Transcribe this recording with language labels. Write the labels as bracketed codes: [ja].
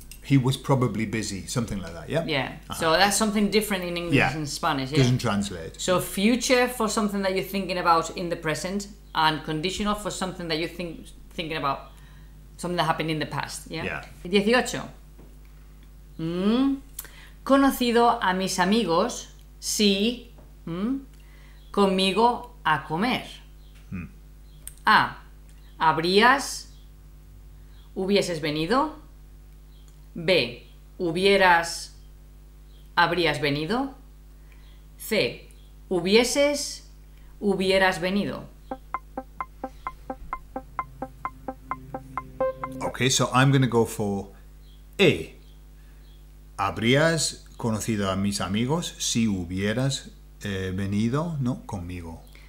[en] he was probably busy, something like that, yeah? Yeah, so that's something different in English and Spanish. Yeah, doesn't translate. So future for something that you're thinking about in the present and conditional for something that you're thinking about, something that happened in the past, yeah? Yeah. 18. [es] Conocido a mis amigos, sí, conmigo a comer. A. Hubieses venido. B. Habrías venido. C. Hubieras venido. [en] Okay, so I'm going to go for A. [es] Habrías conocido a mis amigos si hubieras venido, no, conmigo.